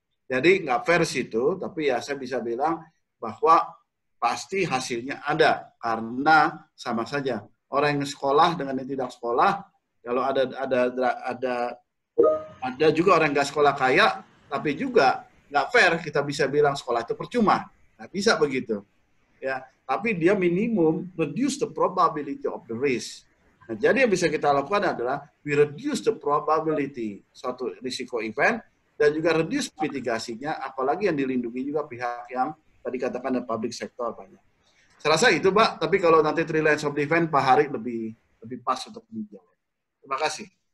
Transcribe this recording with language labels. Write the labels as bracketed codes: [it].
[id] Jadi nggak fair situ, tapi ya saya bisa bilang bahwa pasti hasilnya ada, karena sama saja orang yang sekolah dengan yang tidak sekolah, kalau ada juga orang nggak sekolah kaya, tapi juga nggak fair kita bisa bilang sekolah itu percuma, nggak bisa begitu, ya. Tapi dia [en] minimum reduce the probability of the risk. [id] Nah, jadi yang bisa kita lakukan adalah [en] we reduce the probability [id] suatu risiko event dan juga reduce mitigasinya, apalagi yang dilindungi juga pihak yang tadi katakan dan public sector banyak. Saya rasa itu, Pak. Tapi kalau nanti [en] three lines of defense, [id] Pak Hari lebih pas untuk menjawab. Terima kasih.